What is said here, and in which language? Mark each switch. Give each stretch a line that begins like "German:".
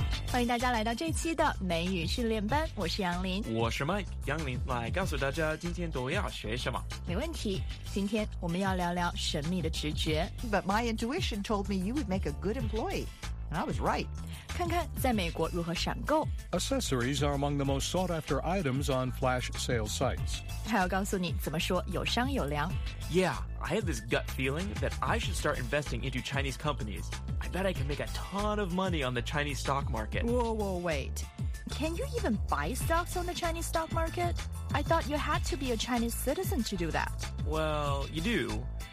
Chinese: 欢迎大家来到这期的美语训练班，我是杨林，我是 Mike。杨林来告诉大家今天都要学什么。没问题，今天我们要聊聊神秘的直觉。
English: But my intuition told me you would make a good employee, and I was right.
Chinese: 看看在美国如何闪购。
English: Accessories are among the most sought after items on flash sales sites.
Chinese: 还要告诉你怎么说有商有量。
English: Yeah, I have this gut feeling that I should start investing into Chinese companies. Bet I can make a ton of money on the Chinese stock market. Whoa, whoa, wait. Can you even buy stocks on the Chinese stock market? I thought you had to be a Chinese citizen to do that. Well, you do.